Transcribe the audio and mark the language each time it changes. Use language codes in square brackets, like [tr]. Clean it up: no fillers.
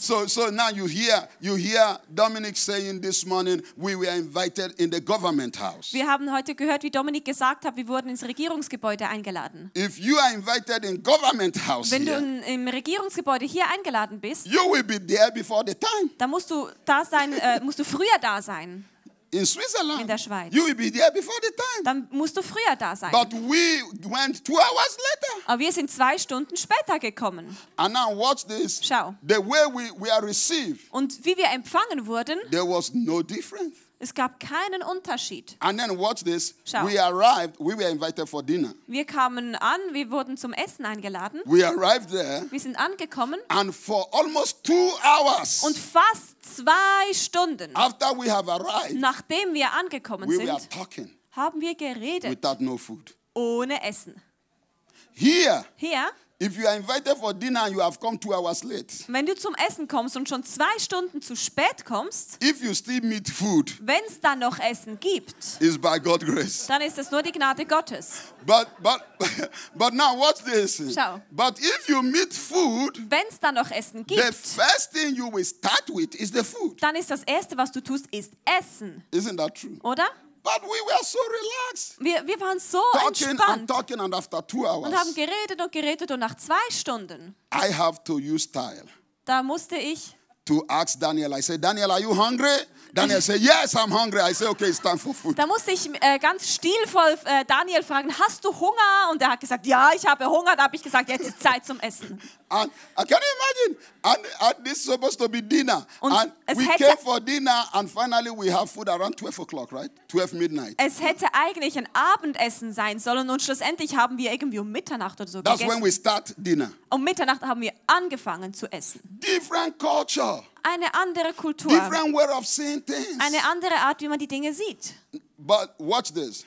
[en] So now you hear Dominic saying this morning we were invited in the government house. [de] Wir haben heute gehört, wie Dominic gesagt hat, wir wurden ins Regierungsgebäude eingeladen. [en] If you are invited in government house, [de] wenn du im Regierungsgebäude hier eingeladen bist, [en] you will be there before the time. [de] Dann musst du da sein, musst du früher da sein. [en] In Switzerland, [de] in der Schweiz, [en] you will be there before the time. [de] Dann musst du früher da sein. [en] But we went 2 hours later. [de] Aber wir sind 2 Stunden später gekommen. [en] And now watch this. [de] Schau. [en] The way we are received. [de] Und wie wir empfangen wurden. [en] There was no difference. [de] Es gab keinen Unterschied. [en] And then watch this. [de] Schau. [en] We arrived. We were invited for dinner. [de] Wir kamen an. Wir wurden zum Essen eingeladen. [en] We arrived there. [de] Wir sind angekommen. [en] And for almost 2 hours. [de] Und fast 2 Stunden [en] after we have arrived, [de] nachdem wir angekommen [en] we [de] sind, [en] were talking, [de] haben wir geredet [en] without no food. [de] Ohne Essen. Hier, [en] if you are invited for dinner and you have come 2 hours late, [de] wenn du zum Essen kommst und schon 2 Stunden zu spät kommst, [en] if you still meet food, [de] wenn es dann noch Essen gibt, [en] is by God's grace. [de] Dann ist es nur die Gnade Gottes. [en] But now watch this. [de] Schau. [en] But if you meet food, [de] wenn es dann noch Essen gibt, [en] the first thing you will start with is the food. [de] Dann ist das Erste, was du tust, ist Essen. [en] Isn't that true? [de] Oder? [en] But we were so relaxed. [de] Wir waren so [en] talking [de] entspannt. [en] And talking and after 2 hours, [de] und haben geredet und geredet und nach 2 Stunden. [en] I have to use style. [de] Da musste ich. [en] To ask Daniel, I said, Daniel, are you hungry? Daniel said, yes, I'm hungry. I said, okay, it's time for food. [de] Da musste ich ganz stilvoll Daniel fragen, hast du Hunger? Und er hat gesagt, ja, ich habe Hunger. Da habe ich gesagt, jetzt ist Zeit zum Essen. [en] And can you imagine? And this is supposed to be dinner. [de] Und [en] and we came for dinner and finally we have food around 12 o'clock, right? 12 midnight. [de] Es hätte eigentlich ein Abendessen sein sollen und schlussendlich haben wir irgendwie um Mitternacht oder so [en] That's [de] gegessen. [en] When we start dinner. [de] Um Mitternacht haben wir angefangen zu essen. [en] Different culture. [de] Eine andere Kultur. [en] Different way of seeing things. [de] Eine andere Art, wie man die Dinge sieht. [en] But watch this.